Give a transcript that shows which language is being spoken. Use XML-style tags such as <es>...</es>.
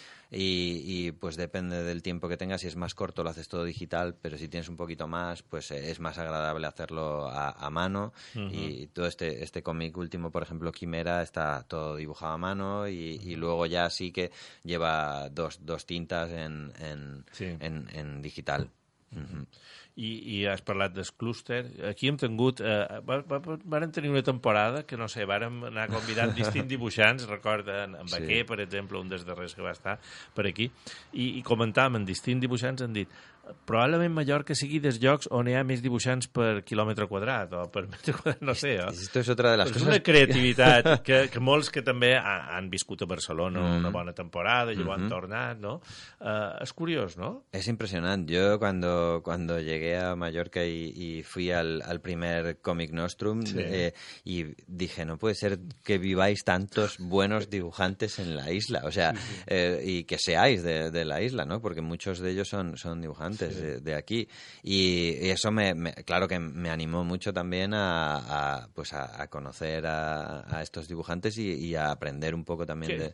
<es>Y pues depende del tiempo que tengas, si es más corto lo haces todo digital, pero si tienes un poquito más, pues es más agradable hacerlo a mano. Uh-huh. Y todo este cómic último, por ejemplo, Quimera, está todo dibujado a mano y luego ya sí que lleva dos tintas en digital.</es> <ca>I has parlat del clúster. Aquí hem tingut... vàrem tenir una temporada que, no sé, vàrem anar convidant distints dibuixants, recorda, en Baquer, per exemple, un dels darrers que va estar per aquí, i comentàvem amb distints dibuixants, han dit... probablement Mallorca sigui dels llocs on hi ha més dibuixants per quilòmetre quadrat o per metre quadrat, no sé.</ca> <es>Esto es otra de las cosas.</es> <ca>Una creativitat que molts que també han viscut a Barcelona una bona temporada i ho han tornat, no? És curiós, no? És impressionant.</ca> <es>Jo, cuando llegué a Mallorca y fui al primer Comic Nostrum, y dije, no puede ser que viváis tantos buenos dibujantes en la isla, o sea, y que seáis de la isla, ¿no? Porque muchos de ellos son dibujantes. Antes de aquí, y eso me claro que me animó mucho también a conocer a estos dibujantes y a aprender un poco también.</es>